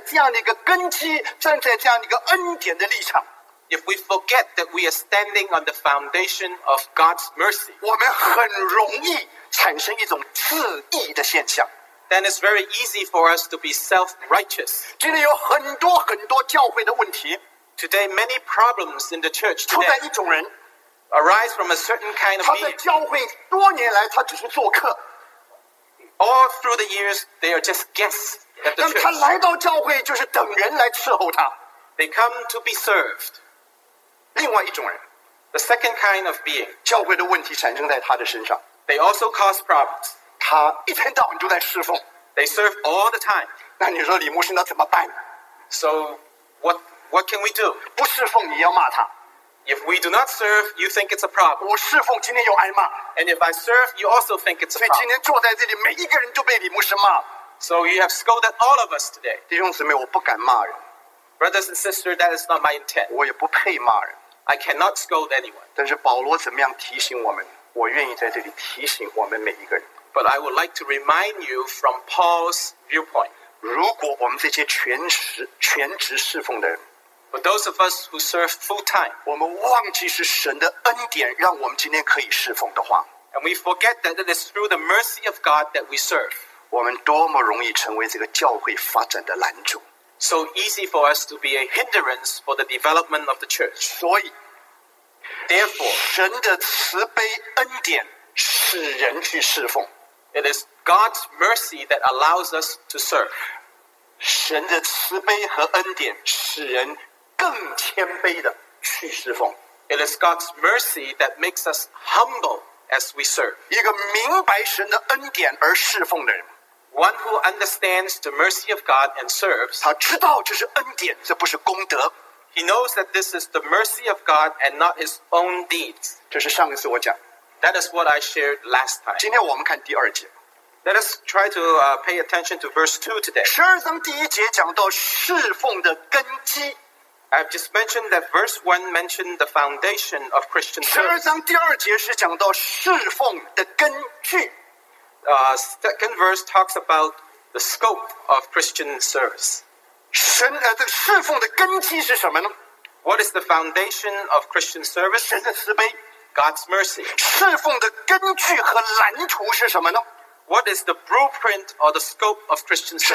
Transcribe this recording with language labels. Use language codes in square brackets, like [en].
[zh] 如果我们忘记我们站在这样一个根基，站在这样一个恩典的立场, [en] if we forget that we are standing on the foundation of God's mercy, [zh] 我们很容易产生一种自义的现象, [en] then it's very easy for us to be self-righteous. [zh] 今天有很多很多教会的问题, [en] today many problems in the church today [zh] 出在一种人, [en] arise from a certain kind of being. [zh] 他在教会多年来他只是做客, [en] all through the years, they are just guests at the church. [zh] 但他来到教会就是等人来伺候他。 [en] They come to be served. [zh] 另外一种人, [en] the second kind of being, [zh] 教会的问题产生在他的身上。 [en] They also cause problems. [zh] 他一天到晚都在侍奉。 [en] They serve all the time. [zh] 那你说李牧师那怎么办? [en] So what can we do? [zh] 不侍奉你要骂他。 [en] If we do not serve, you think it's a problem. [zh] 我侍奉今天又挨骂。 [en] And if I serve, you also think it's a problem. [zh] 所以今天坐在这里每一个人都被李牧师骂。 [en] So you have scolded all of us today. [zh] 弟兄姊妹，我不敢骂人。 [en] Brothers and sisters, that is not my intent. [zh] 我也不配骂人。 [en] I cannot scold anyone. [zh] 但是保罗怎么样提醒我们, 我愿意在这里提醒我们每一个人。 [en] But I would like to remind you from Paul's viewpoint. [zh] 如果我们这些全职侍奉的人, [en] But those of us who serve full-time, [zh] 我们忘记是神的恩典让我们今天可以侍奉的话, [en] and we forget that it is through the mercy of God that we serve, [zh] 我们多么容易成为这个教会发展的拦阻, [en] so easy for us to be a hindrance for the development of the church. [zh] 所以, [en] therefore, [zh] 神的慈悲恩典使人去侍奉, [en] it is God's mercy that allows us to serve. [zh] 神的慈悲和恩典使人更谦卑地去侍奉, [en] it is God's mercy that makes us humble as we serve. [zh] 一个明白神的恩典而侍奉的人, [en] one who understands the mercy of God and serves, [zh] 他知道这是恩典, 这不是功德, [en] he knows that this is the mercy of God and not his own deeds. [zh] 这是上一次我讲, [en] that is what I shared last time. [zh] 今天我们看第二节, [en] let us try to pay attention to verse 2 today. [zh] 12章第一节讲到侍奉的根基, [en] I've just mentioned that verse 1 mentioned the foundation of Christian service. [zh] 12章第二节是讲到侍奉的根据, [en] second verse talks about the scope of Christian service. [zh] 侍奉的根基是什么呢? [en] What is the foundation of Christian service? [zh] 神的慈悲, [en] God's mercy. [zh] 侍奉的根据和蓝图是什么呢? [en] What is the blueprint or the scope of Christian service?